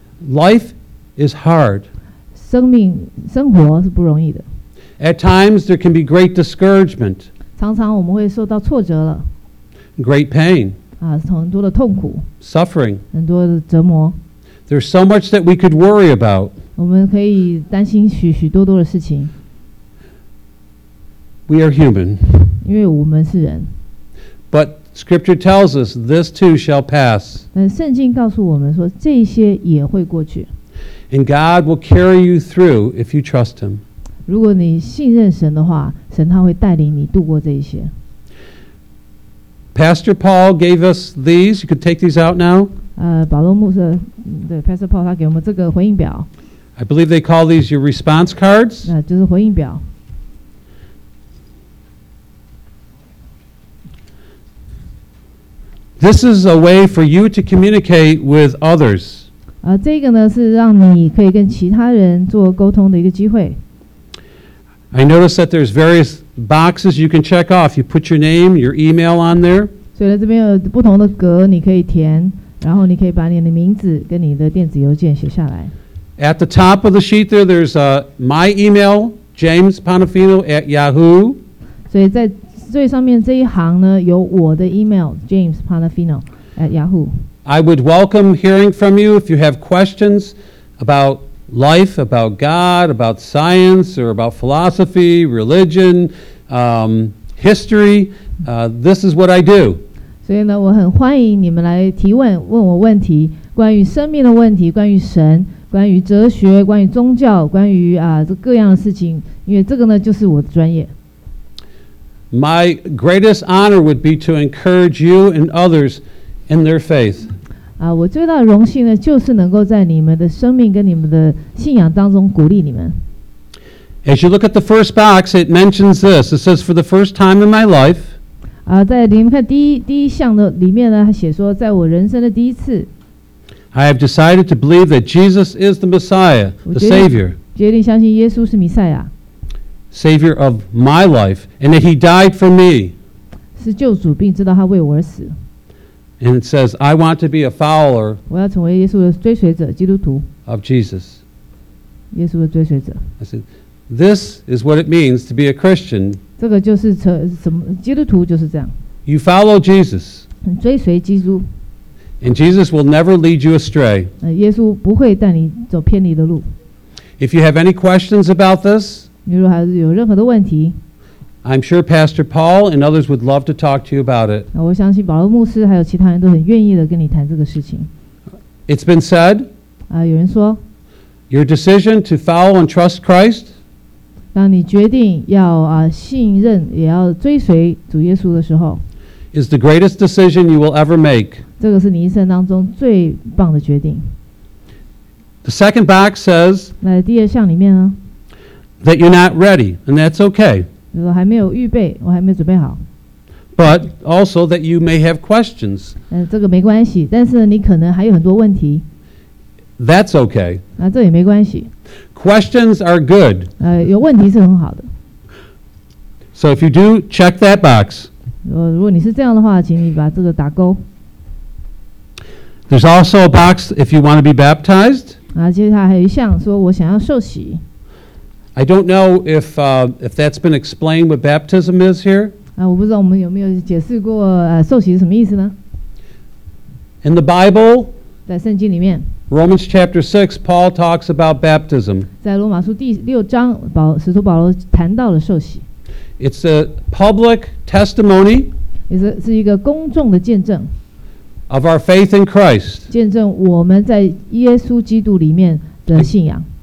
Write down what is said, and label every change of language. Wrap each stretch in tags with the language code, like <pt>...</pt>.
<en>Life is hard.</en> <zh>生活是不容易的。</zh> <en>At times there can be great discouragement.</en> <zh>常常我们会受到挫折了。</zh> <en>Great pain.</en> <zh>很多的痛苦。</zh> <en>Suffering.</en> <zh>很多的折磨。</zh> <en>There's so much that we could worry about.</en> <zh>我们可以担心许许多多的事情。</zh> <en>We are human.</en> <zh>因为我们是人。</zh> <en>But scripture tells us this too shall pass.</en> <zh>但圣经告诉我们说这些也会过去。</zh> <en>And God will carry you through if you trust him.</en> <zh>如果你信任神的话，神他会带领你度过这些。</zh> <en>Pastor Paul gave us these. You could take these out now.</en> <zh>保罗牧师，对 Pastor Paul 他给我们这个回应表。</zh> <en>I believe they call these your response cards.</en> <zh>就是回应表。</zh> <en>This is a way for you to communicate with others.</en> <zh>这个呢是让你可以跟其他人做沟通的一个机会。</zh> <en>I notice that there's various boxes you can check off. You put your name, your email on there.</en> <zh>所以这边有不同的格你可以填，然后你可以把你的名字跟你的电子邮件写下来。</zh> <en>At the top of the sheet there's my email, jamespanofino@yahoo.</en> <zh>所以在最上面这一行呢，有我的 email jamespanofino@yahoo.</zh> <en>I would welcome hearing from you if you have questions about life, about God, about science, or about philosophy, religion, history. This is what I do.</en> <zh>所以呢，我很欢迎你们来提问，问我问题，关于生命的问题，关于神，关于哲学，关于宗教，关于这各样的事情，因为这个呢，就是我的专业。</zh> <en>My greatest honor would be to encourage you and others in their faith.</en> <zh>我最大的荣幸呢，就是能够在你们的生命跟你们的信仰当中鼓励你们。</zh> <en>As you look at the first box, it mentions this. It says, "For the first time in my life."</en> <zh>在你们看第一项的里面呢，它写说，在我人生的第一次。</zh> <en>I have decided to believe that Jesus is the Messiah, the Savior.</en> <zh>决定相信耶稣是弥赛亚。</zh> <en>Savior of my life, and that He died for me.</en> <zh>是救主，并知道他为我而死。</zh> <en>And it says, "I want to be a follower."</en> <zh>我要成为耶稣的追随者，基督徒。</zh> <en>Of Jesus.</en> <zh>耶稣的追随者。</zh> <en>I said,This is what it means to be a Christian.</en> <zh>这个就是基督徒就是这样。</zh> <en>You follow Jesus.</en> <zh>追随基督。</zh> <en>And Jesus will never lead you astray.</en> <zh>耶稣不会带你走偏离的路。</zh> <en>If you have any questions about this,</en> <zh>你如果还是有任何的问题，</zh> <en>I'm sure Pastor Paul and others would love to talk to you about it.</en> <zh>我相信保罗牧师还有其他人都很愿意的跟你谈这个事情。</zh> <en>It's been said.</en> <zh>有人说，</zh> <en>Your decision to follow and trust Christ.</en> <zh>当你决定要信任也要追随主耶稣的时候</zh> <en>is the greatest decision you will ever make.</en> <zh>这个是你一生当中最棒的决定。</zh> <en>The second box says,</en> <zh>那第二项里面呢，</zh> <en>that you're not ready, and that's okay.</en> <zh>就是还没有预备，我还没准备好。</zh> <en>But also that you may have questions.</en> <zh>这个没关系，但是你可能还有很多问题。</zh> <en>That's okay.</en> <zh>那这也没关系。</zh> <en>Questions are good.</en> <zh>有问题是很好的。</zh> <en>So if you do check that box.</en> <zh>如果你是这样的话，请你把这个打勾。</zh> <en>There's also a box if you want to be baptized.</en> <zh>接下来还有一项说我想要受洗。</zh> <en>I don't know if that's been explained what baptism is here.</en> <zh>我不知道我们有没有解释过受洗是什么意思呢？</zh> <en>In the Bible.</en> <zh>在圣经里面。</zh> <en>Romans chapter 6, Paul talks about baptism.</en> <zh>在罗马书第六章，使徒保罗谈到了受洗。</zh> <en>It's a public testimony.</en> <zh>是一个公众的见证。</zh> <en>Of our faith in Christ.</en> <zh>见证我们在耶稣基督里面的信仰。</zh>